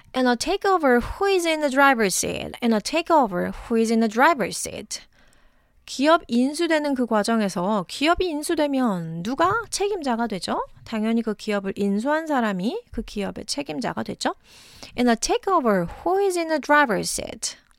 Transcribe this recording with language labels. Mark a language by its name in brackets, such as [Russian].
[English] In a takeover, who is in the driver's seat? In a takeover, who is in the driver's seat? [Korean] 기업 인수되는 그 과정에서 기업이 인수되면 누가 책임자가 되죠? 당연히 그 기업을 인수한 사람이 그 기업의 책임자가 되죠. [English] In a takeover, who is in the driver's seat?